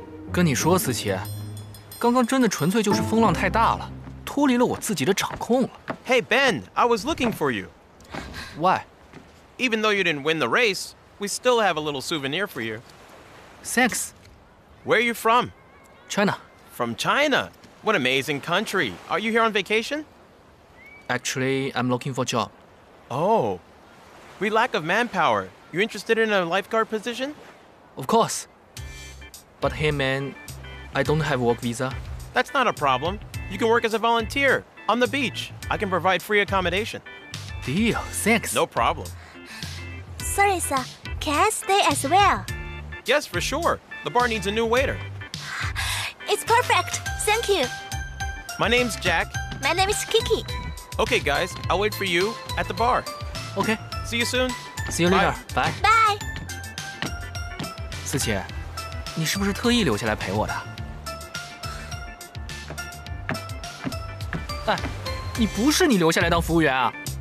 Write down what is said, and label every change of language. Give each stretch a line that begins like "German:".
Chinese: 跟你说，思琪，刚刚真的纯粹就是风浪太大了，脱离了我自己的掌控了。
English: Hey Ben, I was looking for you. Why? Even though you didn't win the race, we still have a little souvenir for you. Thanks. Where are you from? China. From China? What amazing country. Are you here on vacation? Actually, I'm looking for a job. Oh, we lack of manpower. You interested in a lifeguard position? Of course. But hey man, I don't have a work visa. That's not a problem. You can work as a volunteer on the beach. I can provide free accommodation. Deal, thanks. No problem. Sorry sir, can I stay as well? Yes, for sure. The bar needs a new waiter. It's perfect. Thank you. My name's Jack. My name is Kiki. Okay guys, I'll wait for you at the bar. Okay. See you soon. See you later. Bye. Bye.
Chinese: 思琪，你是不是特意留下来陪我的？哎，你不是你留下来当服务员啊？